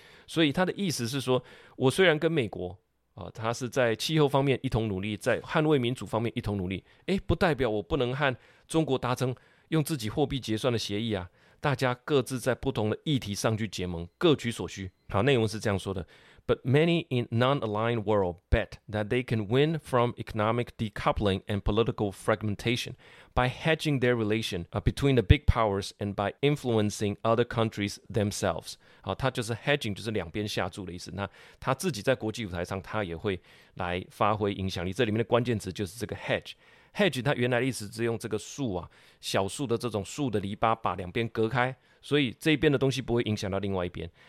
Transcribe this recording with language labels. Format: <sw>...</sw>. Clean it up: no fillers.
<zh>所以他的意思是说，我虽然跟美国他是在气候方面一同努力，在捍卫民主方面一同努力，不代表我不能和中国达成用自己货币结算的协议啊，大家各自在不同的议题上去结盟，各取所需。好，内容是这样说的，</zh> <en>but many in non-aligned world bet that they can win from economic decoupling and political fragmentation by hedging their relation between the big powers and by influencing other countries themselves.</en> <zh>他就是 hedging, 就是两边下注的意思。那他自己在国际舞台上他也会来发挥影响力。这里面的关键词就是这个 hedge。Hedge 它原来的意思是用这个树啊，小树的这种树的篱笆把两边隔开，所以这边的东西不会影响到另外一边。</zh>